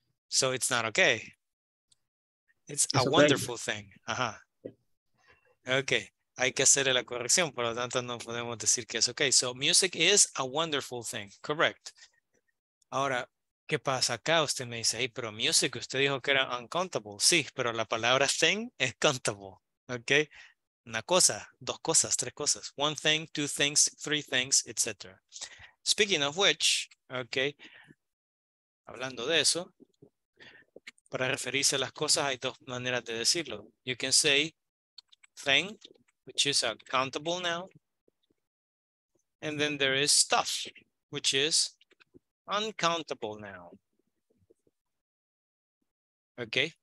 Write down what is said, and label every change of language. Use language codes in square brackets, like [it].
[en] So it's not okay. It's a wonderful thing. Uh-huh. [es] Ok, hay que hacer la corrección, por lo tanto no podemos decir que es ok. [en] So music is a wonderful thing, correct. [es] Ahora, ¿qué pasa acá? Usted me dice, hey, pero music, usted dijo que era uncountable. Sí, pero la palabra thing es countable, ok. Una cosa, dos cosas, tres cosas. [en] One thing, two things, three things, etc. Speaking of which, [es] ok. Hablando de eso, para referirse a las cosas hay dos maneras de decirlo. [en] You can say thing, which is a countable noun. And then there is stuff, which is uncountable noun. Ok.